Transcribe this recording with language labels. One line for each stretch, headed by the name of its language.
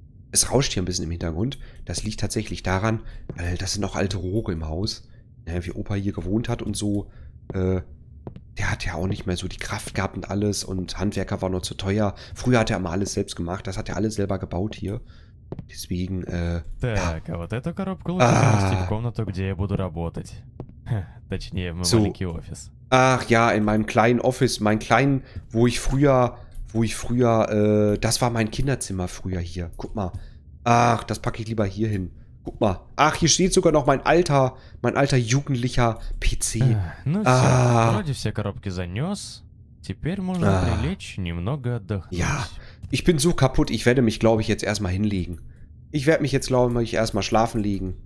German: Es rauscht hier ein bisschen im Hintergrund. Das liegt tatsächlich daran, weil das sind auch alte Rohre im Haus. Ja, wie Opa hier gewohnt hat und so. Der hat ja auch nicht mehr so die Kraft gehabt und alles. Und Handwerker war nur zu teuer. Früher hat er immer alles selbst gemacht. Das hat er alles selber gebaut hier. Deswegen,
Russian: Так, ja. А вот эту коробку лучше принести в комнату, где я буду работать. Точнее, в мой маленький офис.
German: Ach ja, in meinem kleinen Office. Mein kleinen, wo ich früher, das war mein Kinderzimmer früher hier. Guck mal. Ach, das packe ich lieber hier hin. Guck mal. Ach, hier steht sogar noch mein alter jugendlicher PC.
Russian: Ну все, вроде все коробки занес. Теперь можно прилечь, немного отдохнуть.
German: Ja. Ich bin so kaputt, ich werde mich, glaube ich, jetzt erstmal hinlegen. Ich werde mich jetzt, glaube ich, erstmal schlafen legen.